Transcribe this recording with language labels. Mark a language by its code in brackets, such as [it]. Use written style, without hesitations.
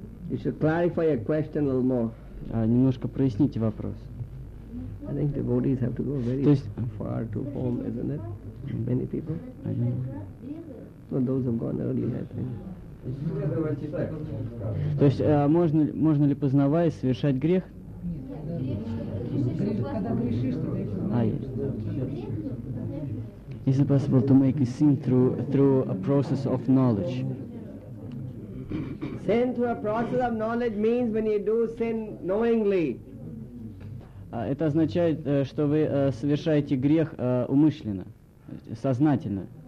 [en] You should clarify your question a little more. [ru] Немножко проясните вопрос. [en] I think devotees have to go very far to home, isn't it? Many people. I don't know. Well, those have gone early, I think. [ru] То есть можно ли, познавая, совершать грех? [en] Is it possible to make a sin through a process of knowledge? Sin through a process of knowledge means when you do sin knowingly. [ru] Это означает, что вы совершаете грех умышленно, сознательно.